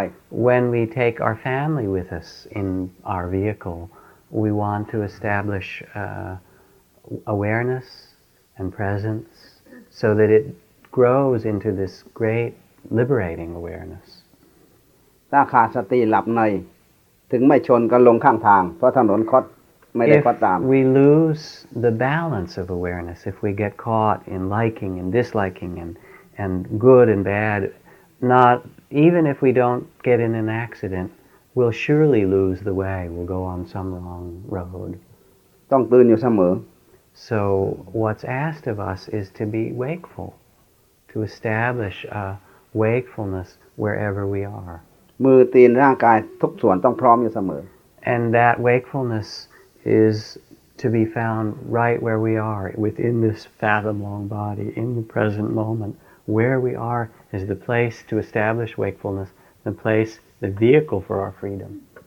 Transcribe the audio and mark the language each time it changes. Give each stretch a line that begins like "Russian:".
English: When we take our family with us in our vehicle, we want to establish awareness and presence so that it grows into this great liberating awareness.
Thai: ถ้าขาดสติหลับในถึงไม่ชนก็ลงข้างทางเพราะถนนคดไม่ได้คดตาม
English: If we lose the balance of awareness, if we get caught in liking and disliking and good and bad, not even if we don't get in an accident, we'll surely lose the way. We'll go on some wrong road.
Thai: ต้องตื่นอยู่เสมอ
English: So what's asked of us is to be wakeful, to establish a wakefulness wherever we are.
Thai: มือตีนร่างกายทุกส่วนต้องพร้อมอยู่เสมอ
English: And that wakefulness is to be found right where we are, within this fathom-long body, in the present moment. Where we are is the place to establish wakefulness, the place, the vehicle for our freedom.